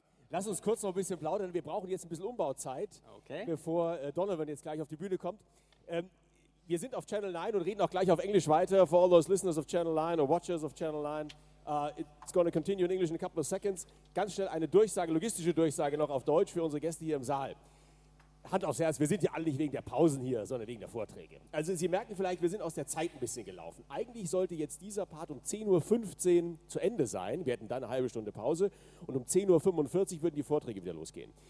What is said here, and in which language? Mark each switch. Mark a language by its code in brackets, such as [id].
[de] Lass uns kurz noch ein bisschen plaudern. Wir brauchen jetzt ein bisschen Umbauzeit, okay, bevor Donovan jetzt gleich auf die Bühne kommt. Wir sind auf Channel 9 und reden auch gleich auf Englisch weiter. [en] For all those listeners of Channel 9 or watchers of Channel 9, it's going to continue in English in a couple of seconds. [de] Ganz schnell eine Durchsage, logistische Durchsage noch auf Deutsch für unsere Gäste hier im Saal. Hand aufs Herz, wir sind ja alle nicht wegen der Pausen hier, sondern wegen der Vorträge. Also Sie merken vielleicht, wir sind aus der Zeit ein bisschen gelaufen. Eigentlich sollte jetzt dieser Part um 10.15 Uhr zu Ende sein. Wir hätten dann eine halbe Stunde Pause und um 10.45 Uhr würden die Vorträge wieder losgehen.